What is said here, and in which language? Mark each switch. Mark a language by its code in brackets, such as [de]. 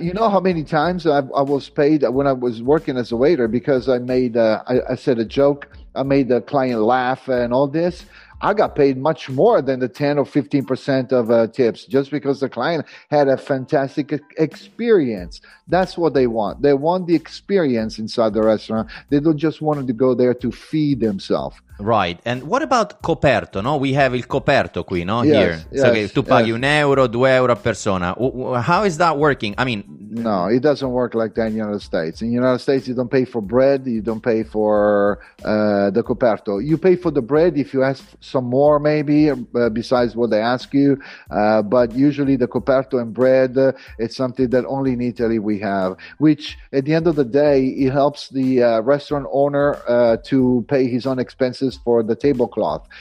[en] You know how many times I was paid when I was working as a waiter because I made I said a joke, I made the client laugh and all this. I got paid much more than the 10 or 15% of tips just because the client had a fantastic experience. That's what they want. They want the experience inside the restaurant. They don't just want to go there to feed themselves. Right. And what about coperto? No, we have il coperto qui, no? Yes, here. Yes, so okay, [it] tu paghi un euro, due euro a persona. [en] How is that working? I mean, no, it doesn't work like that in the United States. In the United States, you don't pay for bread, you don't pay for the coperto. You pay for the bread if you ask some more, maybe, besides what they ask you. But usually the coperto and bread, it's something that only in Italy we have, which at the end of the day, it helps the restaurant owner to pay his own expenses for the tablecloth.